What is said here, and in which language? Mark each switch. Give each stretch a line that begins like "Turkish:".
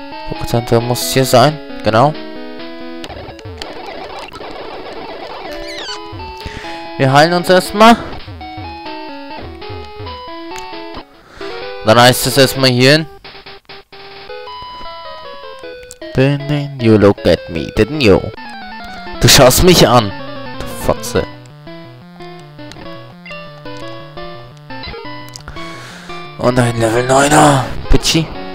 German: Pocket Center muss hier sein. Genau. Wir heilen uns erstmal. Dann heißt es erstmal hierhin.
English: Then you look at me, didn't you?
German: Du schaust mich an, du Fotze. Und ein Level 9er, Pitchy.